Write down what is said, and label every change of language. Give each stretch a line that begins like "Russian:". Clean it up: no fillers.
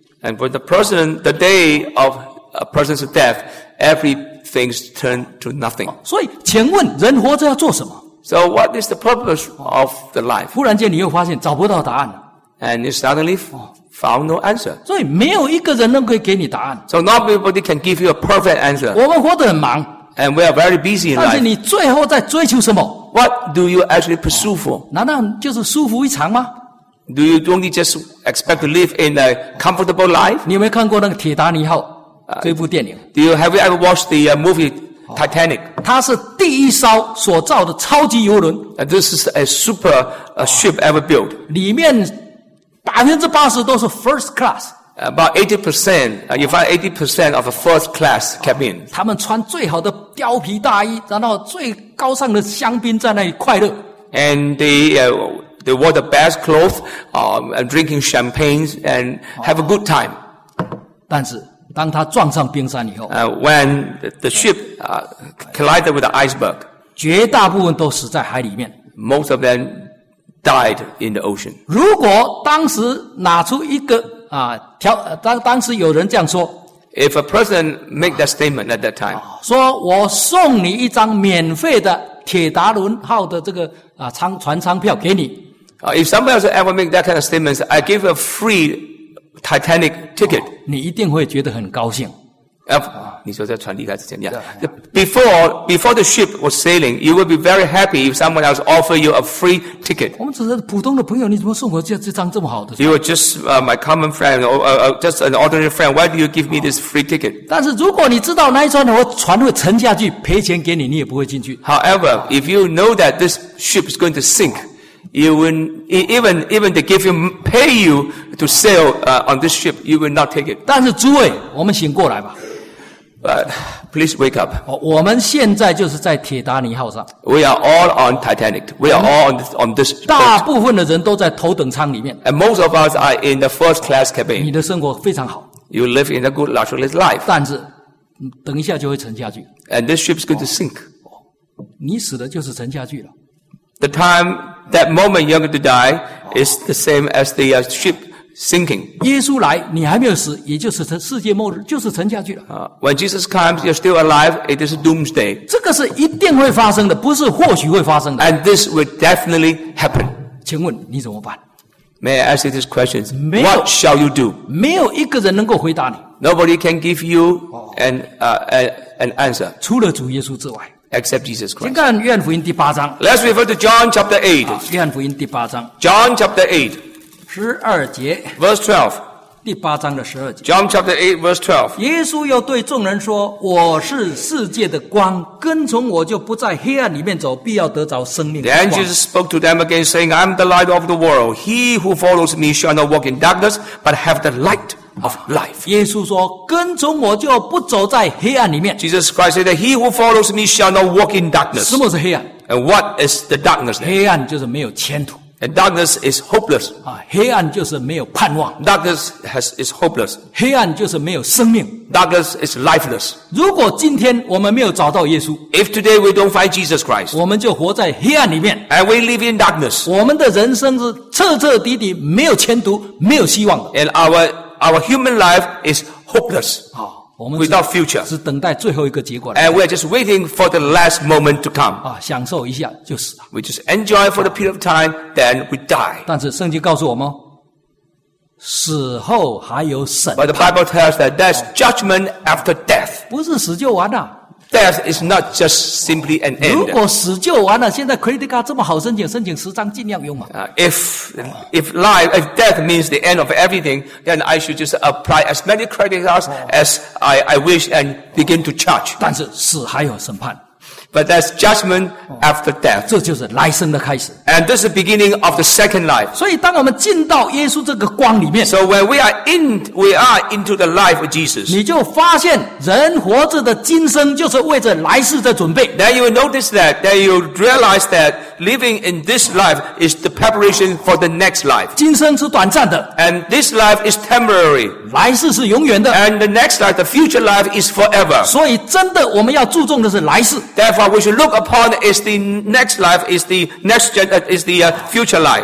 English: And for the person, the day of a person's death, everything's turned to nothing.
Chinese: 所以请问人活着要做什么
English: ?So what is the purpose of the life?
Chinese: 忽然间你又发现找不到答案。
English: And you suddenly found no answer.
Chinese: 所以没有一个人能够给你答案。
English: So not everybody can give you a perfect answer.
Chinese: 我们活得很忙。
English: And we are very busy in life.
Chinese: 但是你最后在追求什么
English: ?What do you actually pursue for?
Chinese: 难道就是舒服一场吗
English: ?Do you only just expect to live in a comfortable life?
Chinese: 你有没有看过那个铁达尼号这部电影
English: Have you ever watched the movie Titanic?
Chinese: 它是第一艘所造的超级游轮
English: This is a super ship ever built.
Chinese: 里面 80% 都是 first class.
English: About 80%, you find 80% of a first class cabin.
Chinese: 他们穿最好的貂皮大衣，然后最高尚的香槟在那里快乐。
English: And they wore the best clothes, and drinking champagne and have a good time.
Chinese: 但是当他撞上冰山以后
English: when the ship collided with the iceberg,
Chinese: 绝大部分都死在海里面。
English: Most of them died in the ocean.
Chinese: 如果当时拿出一个当时有人这样说
English: ，If a person make that statement at that time,
Chinese: 说我送你一张免费的铁达伦号的这个船舱票给你。
English: If somebody else ever make that kind of statement, I give a free Titanic ticket.
Chinese: 你一定会觉得很高兴。你说在船离开之前
English: Before the ship was sailing, you would be very happy if someone else offered you a free ticket.
Chinese: 我们只是普通的朋友，你怎么送我这张这么好的
English: ？You were just my common friend, just an ordinary friend. Why do you give me this free ticket?
Chinese: 但是如果你知道那一船的话，船会沉下去，赔钱给你，你也不会进去。
English: However, if you know that this ship is going to sink,You will even they give you pay you to sail on this ship, you will not take it.
Chinese: 但是诸位，我们醒过来吧。
English: Please wake up.
Chinese: 我们现在就是在铁达尼号上。
English: We are all on Titanic. We are all on this ship.
Chinese: 大部分的人都在头等舱里面。
English: And most of us are in the first class cabin.
Chinese: 你的生活非常好。
English: You live in a good luxury life.
Chinese: 但是，等一下就会沉下去。
English: And this ship is going to sink.
Chinese: 你死的就是沉下去了。
English: The time, that moment you're going to die is the same as the ship sinking.
Chinese: 耶稣来，你还没有死，也就是世界末日，就是沉下去了。
English: When Jesus comes, you're still alive, it is doomsday.
Chinese: 这个是一定会发生的，不是或许会发生的。
English: And this will definitely happen.
Chinese: 请问你怎么办？
English: May I ask you these questions? What shall you do?
Chinese: 没有一个人能够回答你。
English: Nobody can give you an answer.
Chinese: 除了主耶稣之外。
English: Except Jesus Christ.
Chinese: 先看约翰福音第八章。
English: Let's refer to John chapter 8.
Chinese: 约翰福音第八章。
English: John chapter 8.
Chinese: 12节。
English: Verse 12.
Chinese: 第八章的12节。
English: John chapter 8, verse 12.
Chinese: 耶稣又对众人说，我是世界的光，跟从我就不在黑暗里面走，必要得着生命的光。
English: Then Jesus spoke to them again, saying, I'm the light of the world. He who follows me shall not walk in darkness, but have the light. Of life.
Chinese: 耶稣说跟从我就不走在黑暗里面。
English: Jesus Christ said that he who follows me shall not walk in darkness.
Chinese: 什么是黑暗?
English: And what is the darkness?
Chinese: 黑暗就是没有前途。
English: And darkness is hopeless.
Chinese: 啊，黑暗就是没有盼望。
English: Darkness is hopeless.
Chinese: 黑暗就是没有生命。
English: Darkness is lifeless.
Chinese: 如果今天我们没有找到耶稣
English: ，If today we don't find Jesus Christ，
Chinese: 我们就活在黑暗里面。
English: And we live in darkness.
Chinese: 我们的人生是彻彻底底没有前途，没有希望。
English: And our human life is hopeless.
Chinese: 啊，我们
English: without future
Chinese: 是等待最后一个结果。
English: And we are just waiting for the last moment to come.
Chinese: 啊，享受一下就死了。
English: We just enjoy for the period of time, then we die.
Chinese: 但是圣经告诉我们，死后还有审判。
English: But the Bible tells that there's judgment after death.
Chinese: 不是死就完了。
English: Death is not just simply an end.
Chinese: 如果死就完了，现在 credit card 这么好申请，申请十张尽量用嘛。
English: If death means the end of everything, then I should just apply as many credit cards as I wish and begin to charge.
Chinese: 但是死还有审判。
English: But there's judgment after death.
Chinese: 这就是来生的开始。
English: And this is the beginning of the second life.
Chinese: 所以当我们进到耶稣这个光里面
English: ，So when we are into the life of Jesus，
Chinese: 你就发现人活着的今生就是为着来世的准备。
English: Then you notice that you realize that living in this life is the preparation for the next life.
Chinese: 今生是短暂的
English: ，And this life is temporary.
Chinese: 来世是永远的
English: ，And the next life, the future life is forever.
Chinese: 所以真的我们要注重的是来世。
English: Therefore, we should look upon is the next life, is the next gen, is the future life.